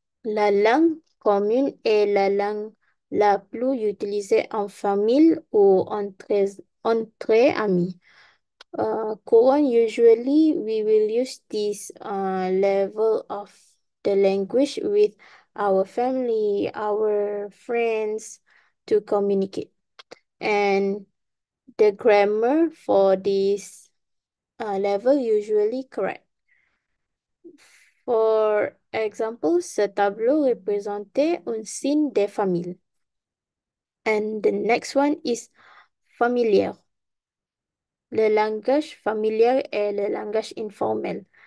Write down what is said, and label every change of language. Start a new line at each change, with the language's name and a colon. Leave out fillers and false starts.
French: La langue commune est la langue la plus utilisée en famille ou entre amis.
English: Courant, usually we will use this level of the language with our family, our friends to communicate. And the grammar for this level usually correct. For example,
French: ce tableau représentait un signe de famille.
English: And the next one is familiar.
French: Le langage familier est le langage informel.